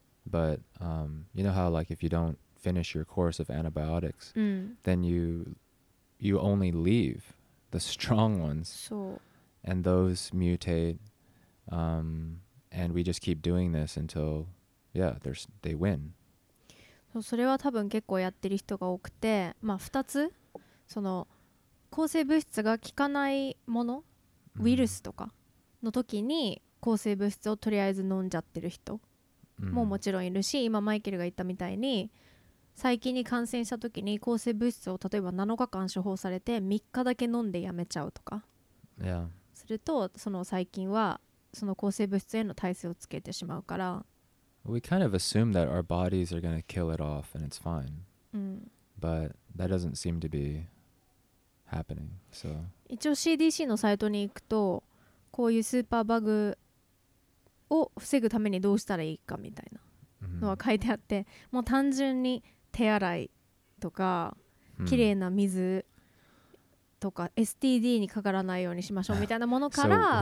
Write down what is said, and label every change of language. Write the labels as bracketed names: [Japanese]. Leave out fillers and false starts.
[English] But you know how, like, if you don't finish your course of antibiotics, then you only leave the strong ones. So. And those mutate, and we just keep doing this until, they win. [Japanese] So, それは多分結構やってる人が多くて、まあ二つ、その抗生物質が効かないもの、ウイルスとかの時に抗生物質をとりあえず飲んじゃってる人ももちろんいるし、今マイケルが言ったみたいに、細菌に感染した時に抗生物質を例えば7日間処方されて3日だけ飲んでやめちゃうとか。 [English] Yeah. [Japanese] すると、その細菌はその抗生物質への耐性をつけてしまうから。 [English] We kind of assume that our bodies are going to kill it off and it's fine. But that doesn't seem to be happening. So. [Japanese] 一応 CDC のサイトに行くと、こういうスーパーバグを防ぐためにどうしたらいいかみたいなのは書いてあって、もう単純に手洗いとか、きれいな水、とか STD にかからないようにしましょうみたいなものから、